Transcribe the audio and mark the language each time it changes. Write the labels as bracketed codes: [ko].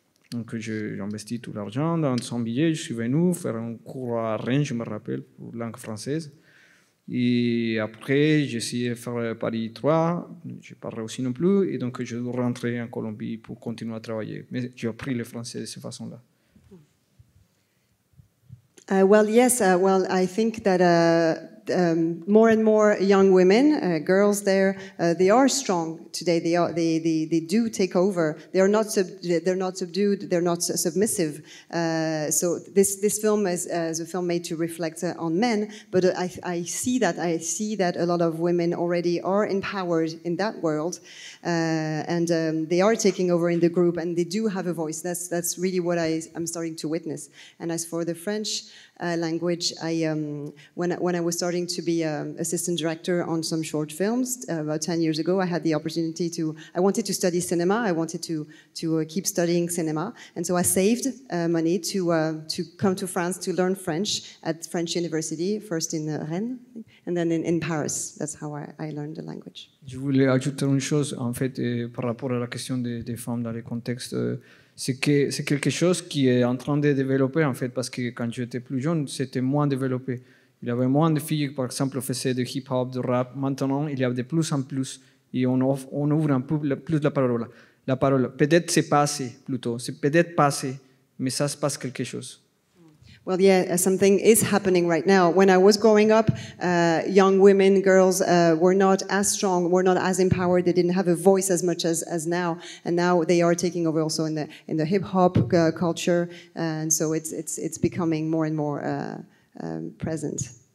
[fr] Donc, j'investis tout l'argent dans 100 billets. Je suis venu faire un cours à Rennes, je me rappelle, pour langue française. Et après, j'ai essayé de faire Paris 3. Je n'ai pas réussi non plus. Et donc, je suis rentré en Colombie pour continuer à travailler. Mais j'ai appris le français de cette façon-là. [en] Well, yes, I think that More and more young women, girls there, they are strong today. They do take over. They're not subdued. They're not submissive. So this film is a film made to reflect on men. But I see that a lot of women already are empowered in that world, and they are taking over in the group, and they do have a voice. That's really what I'm starting to witness. And as for the French language, when I was starting to be assistant director on some short films about 10 years ago, I had the opportunity to. I wanted to study cinema. I wanted to keep studying cinema, and so I saved money to come to France to learn French at French University, first in Rennes, and then in Paris. That's how I learned the language. [fr] Je voulais ajouter une chose en fait par rapport à la question des femmes dans les contextes. C'est quelque chose qui est en train de développer, en fait, parce que quand j'étais plus jeune, c'était moins développé. Il y avait moins de filles, par exemple, qui faisaient du hip-hop, du rap. Maintenant, il y a de plus en plus. Et on ouvre un peu plus la parole. Peut-être c'est passé, plutôt. C'est peut-être passé, mais ça se passe quelque chose. [en] Well, yeah, something is happening right now. When I was growing up, young women, girls were not as strong, were not as empowered. They didn't have a voice as much as now. And now they are taking over also in the hip hop culture. And so it's becoming more and more present.